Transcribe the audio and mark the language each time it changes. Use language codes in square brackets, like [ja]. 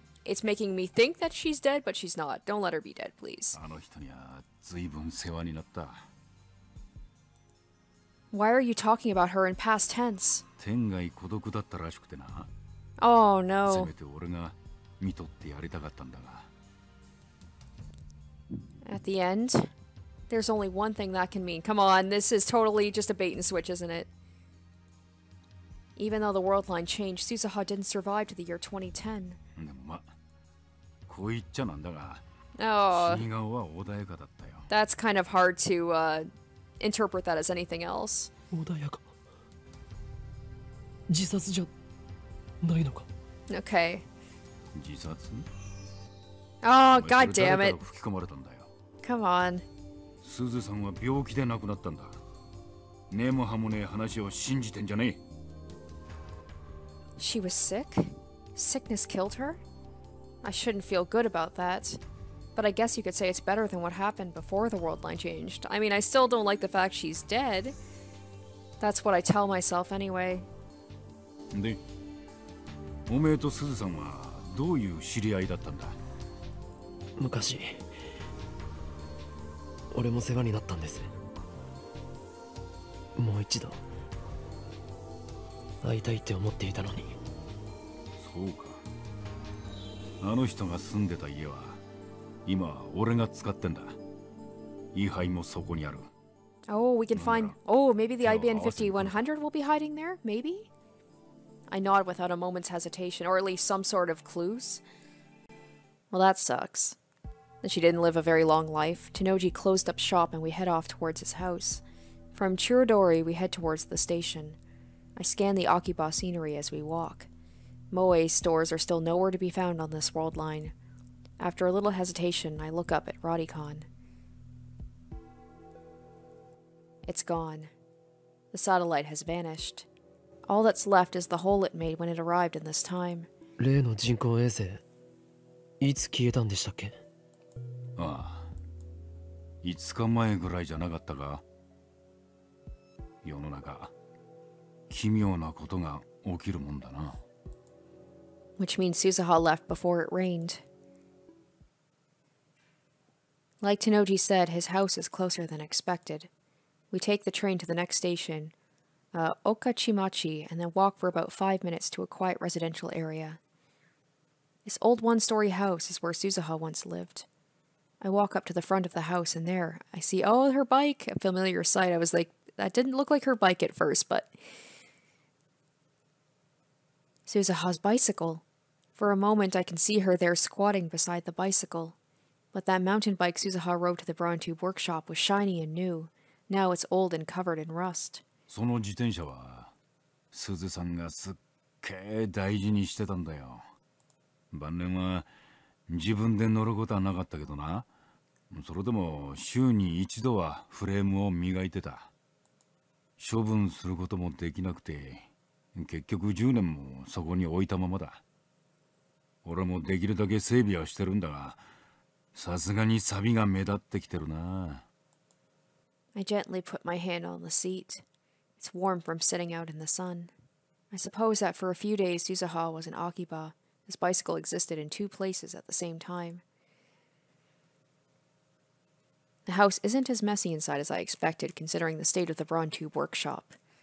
[en] It's making me think that she's dead, but she's not. Don't let her be dead, please. [ja] あの人には随分世話になった。 [en] Why are you talking about her in past tense? [ja] 天涯孤独だったらしくてな。 [en] Oh, no. [ja] せめて俺が見取ってやりたかったんだが。 [en] At the end, there's only one thing that can mean. Come on, this is totally just a bait and switch, isn't it? Even though the world line changed, Suzuha didn't survive to the year 2010. [ja] でもまあ、こう言っちゃなんだが、死に顔は穏やかだったよ。 [en] That's kind of hard to interpret that as anything else. [ja] 穏やか。自殺じゃないのか。 [en] Okay. [ja] 自殺？ [en] Oh, God damn it! [ja] 吹き込まれたんだよ。 [en] Come on. [ja] スズさんは病気で亡くなったんだ。根も葉もねえ話を信じてんじゃねえ。 [en] She was sick? Sickness killed her? I shouldn't feel good about that. But I guess you could say it's better than what happened before the world line changed. I mean, I still don't like the fact she's dead. That's what I tell myself anyway. [ja] で、おめえとスズさんはどういう知り合いだったんだ？昔。俺も世話になったんです。もう一度会いたいって思っていたのに。そうか。あの人が住んでた家は今俺が使ってんだ。遺灰もそこにある。 [en] Oh, we can find. Oh, maybe the IBN 5100 will be hiding there. Maybe. I nod without a moment's hesitation, or at least some sort of clues. Well, that sucks. She didn't live a very long life. Tanoji closed up shop and we head off towards his house. From Chiridori, we head towards the station. I scan the Akiba scenery as we walk. Moe stores are still nowhere to be found on this world line. After a little hesitation, I look up at Radikan. It's gone. The satellite has vanished. All that's left is the hole it made when it arrived in this time. [ja] 例の人工衛星、いつ消えたんでしたっけ？ああ、5日前ぐらいじゃなかったか。世の中、奇妙なことが起きるもんだな。 [en] Which means Suzuha left before it rained. Like Tanoji said, his house is closer than expected. We take the train to the next station, Okachimachi, and then walk for about 5 minutes to a quiet residential area. This old one-story house is where Suzuha once lived. I walk up to the front of the house and there, I see, oh, her bike, a familiar sight. I was like, that didn't look like her bike at first, but... Suzuha's bicycle. For a moment, I can see her there squatting beside the bicycle. But that mountain bike Suzuha rode to the Brawn Tube workshop was shiny and new. Now it's old and covered in rust. [ja] その自転車は、スズさんがすっげえ大事にしてたんだよ。晩年は、自分で乗ることはなかったけどな。それでも週に一度はフレームを磨いてた。処分することもできなくて、結局10年もそこに置いたままだ。俺もできるだけ整備はしてるんだが、さすがにサビが目立ってきてるな。 [en] I gently put my hand on the seat. It's warm from sitting out in the sun. I suppose that for a few days, Suzuha was in Akiba. His bicycle existed in two places at the same time. The house isn't as messy inside as I expected, considering the state of the Brawn Tube workshop.